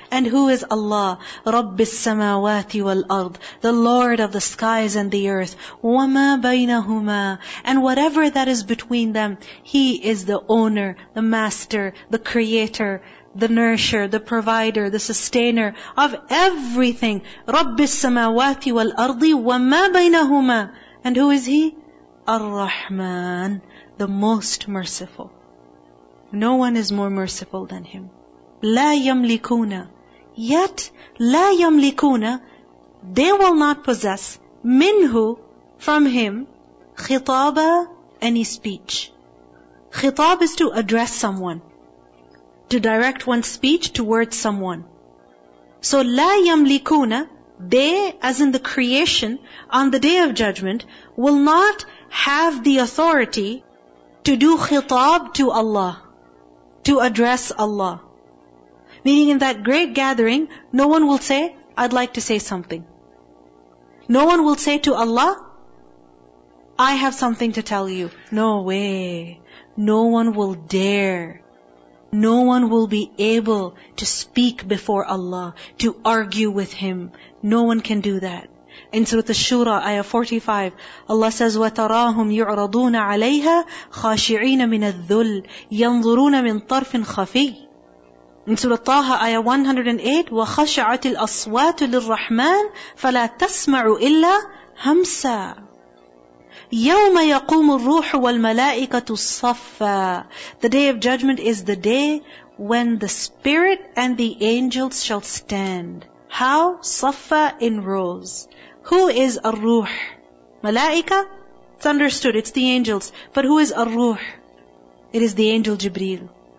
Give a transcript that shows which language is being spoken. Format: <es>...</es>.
<en>And who is Allah?</en> <ar>رَبِّ السَّمَاوَاتِ وَالْأَرْضِ,</ar> <en>the Lord of the skies and the earth.</en> <ar>وَمَا بَيْنَهُمَا,</ar> <en>and whatever that is between them. He is the owner, the master, the creator, the nourisher, the provider, the sustainer of everything.</en> <ar>رَبِّ السَّمَاوَاتِ وَالْأَرْضِ وَمَا بَيْنَهُمَا,</ar> <en>and who is He? الرحمن, the most merciful. No one is more merciful than Him.</en> <ar>لا يملكون,</ar> <en>yet لا يملكون, they will not possess منه, from Him, خطابة, any speech. خطاب is to address someone, to direct one's speech towards someone. So</en> <ar>لا يملكون,</ar> <en>they, as in the creation, on the Day of Judgment, will not have the authority to do خطاب to Allah, to address Allah. Meaning in that great gathering, no one will say, I'd like to say something. No one will say to Allah, I have something to tell you. No way. No one will dare. No one will be able to speak before Allah, to argue with Him. No one can do that. In Surah Ash-Shura, Ayah 45, Allah says,</en> <ar>وَتَرَاهُمْ يُعْرَضُونَ عَلَيْهَا خَاشِعِينَ مِنَ الذُّلِّ يَنظُرُونَ مِنْ طَرْفٍ خَفِيٍّ.</ar> <en>In Surah Taha, Ayah 108,</en> <ar>وَخَشَعَتِ الْأَصْوَاتُ لِلرَّحْمَانِ فَلَا تَسْمَعُ إِلَّا هَمْسًا. يَوْمَ يَقُومُ الرُّوحُ وَالْمَلَائِكَةُ صَفَّا.</ar> <en>The Day of Judgment is the day when the spirit and the angels shall stand. How? Safa, in rows. Who is Ar-Ruh? Malaika? It's understood, it's the angels. But who is Ar-Ruh? It is the angel Jibreel.</en>